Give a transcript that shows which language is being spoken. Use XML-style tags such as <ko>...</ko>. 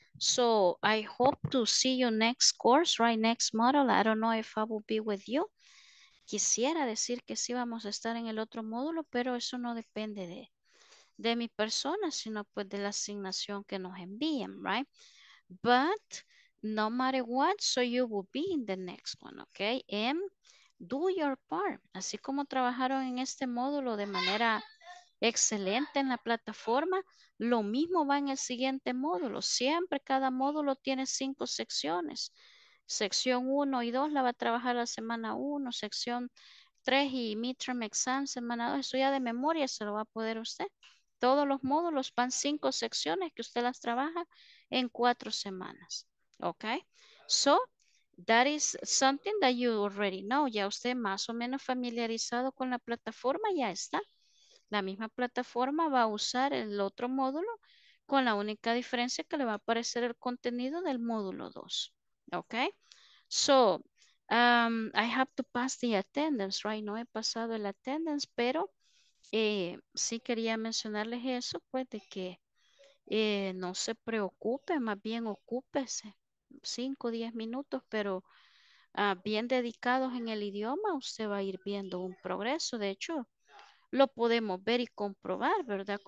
<en>So, I hope to see you next course, right? Next module. I don't know if I will be with you.</en> <es>Quisiera decir que sí vamos a estar en el otro módulo, pero eso no depende de mi persona, sino pues de la asignación que nos envíen, right?</es> <en>But no matter what, so you will be in the next one, okay? And do your part.</en> <es>Así como trabajaron en este módulo de manera excelente en la plataforma, lo mismo va en el siguiente módulo. Siempre cada módulo tiene 5 secciones. Sección 1 y 2 la va a trabajar la semana 1, sección 3 y midterm exam semana 2. Eso ya de memoria se lo va a poder usted. Todos los módulos van 5 secciones que usted las trabaja en 4 semanas. Ok.</es> <en>So, that is something that you already know.</en> <es>Ya usted más o menos familiarizado con la plataforma, ya está. La misma plataforma va a usar el otro módulo con la única diferencia que le va a aparecer el contenido del módulo 2. Ok.</es> <en>So, I have to pass the attendance, right?</en> <es>No he pasado el attendance, pero... sí quería mencionarles eso, pues, de que no se preocupe, más bien ocúpese 5 o 10 minutos, pero bien dedicados en el idioma, usted va a ir viendo un progreso. De hecho, lo podemos ver y comprobar, ¿verdad?</es>